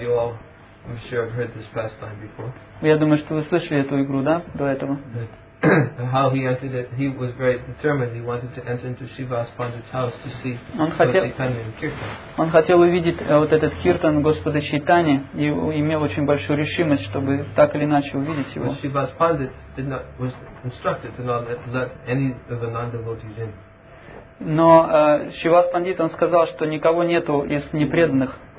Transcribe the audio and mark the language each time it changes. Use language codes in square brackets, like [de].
[en] You all, I'm sure, have heard this pastime before. [ru] Я думаю, что вы слышали эту игру, да, до этого? [en] How he entered it, he was very determined. He wanted to enter into Shiva's Pandit's house to see Chaitanya and Kirtan. [ru] Он хотел увидеть вот этот Киртан Господа Чайтани и имел очень большую решимость, чтобы так или иначе увидеть его. [en] But Shiva's Pandit was instructed to not let any of the non-devotees in. [ru] Но Шивас Пандит, он сказал, что никого нету из непреданных.